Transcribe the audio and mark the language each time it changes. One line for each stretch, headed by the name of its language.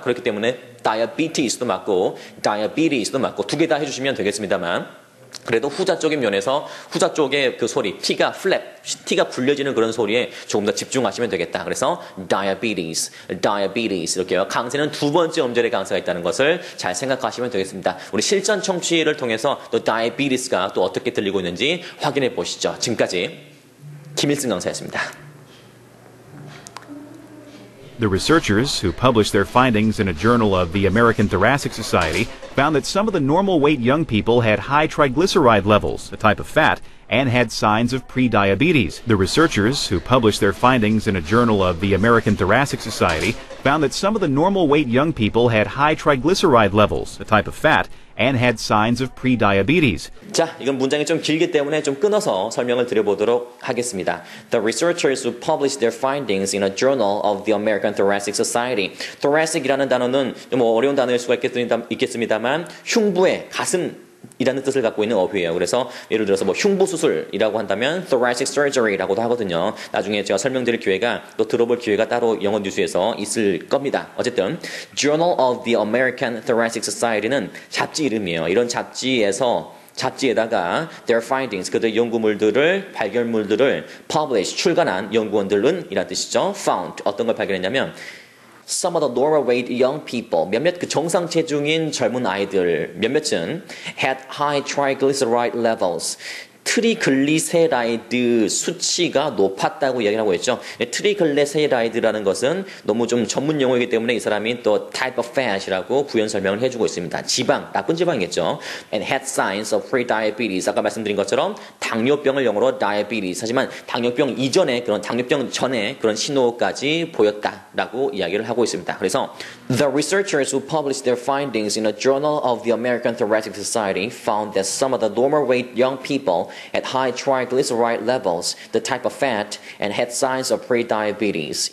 Korean: 그렇기 때문에 diabetes도 맞고 diabetes도 맞고 두 개 다 해주시면 되겠습니다만 그래도 후자적인 면에서 후자쪽의 그 소리 T가 flap, T가 불려지는 그런 소리에 조금 더 집중하시면 되겠다. 그래서 diabetes 이렇게요. 강세는 두 번째 음절의 강세가 있다는 것을 잘 생각하시면 되겠습니다. 우리 실전 청취를 통해서 또 diabetes가 또 어떻게 들리고 있는지 확인해 보시죠. 지금까지 김일승 강사였습니다.
English: The researchers, who published their findings in a journal of the American Thoracic Society, found that some of the normal weight young people had high triglyceride levels, a type of fat, and had signs of prediabetes. The researchers, who published their findings in a journal of the American Thoracic Society, found that some of the normal weight young people had high triglyceride levels, a type of fat, and had signs of prediabetes.
Korean: 자, 이건 문장이 좀 길기 때문에 좀 끊어서 설명을 드려보도록 하겠습니다.
English: The researchers who published their findings in a journal of the American Thoracic Society.
Korean: Thoracic이라는 단어는 좀 어려운 단어일 수가 있겠습니다만 흉부의 가슴 이라는 뜻을 갖고 있는 어휘예요. 그래서 예를 들어서 뭐 흉부 수술이라고 한다면 thoracic surgery라고도 하거든요. 나중에 제가 설명드릴 기회가 또 들어볼 기회가 따로 영어 뉴스에서 있을 겁니다. 어쨌든 Journal of the American Thoracic Society는 잡지 이름이에요. 이런 잡지에다가
English: their findings,
Korean: 그들 연구물들을, 발견물들을 publish, 출간한 연구원들은 이란 뜻이죠.
English: found,
Korean: 어떤 걸 발견했냐면
English: Some of the normal weight young people,
Korean: 몇몇 그 정상 체중인 젊은 아이들 몇몇은
English: had high triglyceride levels.
Korean: 트리글리세라이드 수치가 높았다고 이야기하고 있죠. 트리글리세라이드라는 것은 너무 좀 전문 용어이기 때문에 이 사람이 또 type of fat이라고 부연 설명을 해주고 있습니다. 지방, 나쁜 지방이겠죠.
English: And had signs of pre-diabetes.
Korean: 아까 말씀드린 것처럼 당뇨병을 영어로 diabetes. 하지만 당뇨병 이전에 그런 당뇨병 전에 그런 신호까지 보였다라고 이야기를 하고 있습니다.
English: 그래서 The researchers who published their findings in a journal of the American Thoracic Society found that some of the normal weight young people at high triglyceride levels, the type of fat, and had signs of prediabetes.